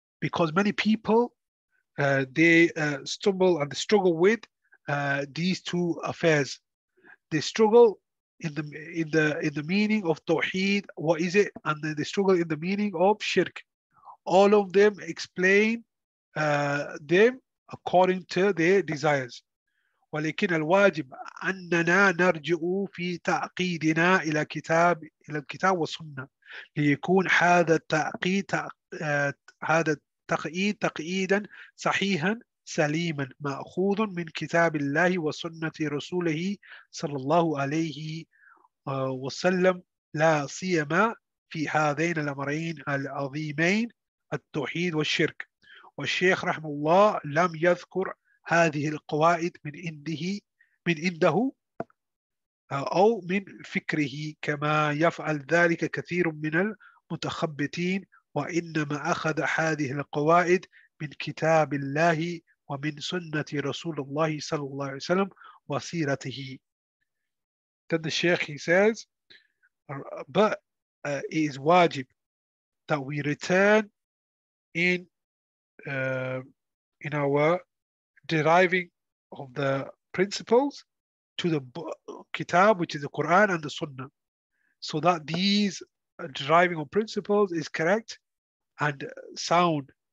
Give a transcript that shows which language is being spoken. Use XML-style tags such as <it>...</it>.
<en>Because many people, they struggle with these two affairs. They struggle in the meaning of Tawheed, what is it? And then they struggle in the meaning of Shirk. All of them explain them according to their desires.</en> <ar>ولكن الواجب أننا نرجع في تعقيدنا إلى كتاب إلى الكتاب والسنة ليكون هذا التعقيد هذا التقييد تقييدا صحيحا سليما مأخوذ من كتاب الله وسنة رسوله صلى الله عليه وسلم لا سيما في هذين الأمرين العظيمين التوحيد والشرك والشيخ رحمه الله لم يذكر هذه القواعد من عنده أو من فكره كما يفعل ذلك كثير من المتخبطين وإنما أخذ هذه القواعد من كتاب الله ومن سنة رسول الله صلى الله عليه وسلم وسيرته.</ar> <en>Then the Sheikh, he says, but it is wajib that we return in our deriving of the principles to the kitab, which is the Quran and the Sunnah, so that these deriving of principles is correct and sound</en>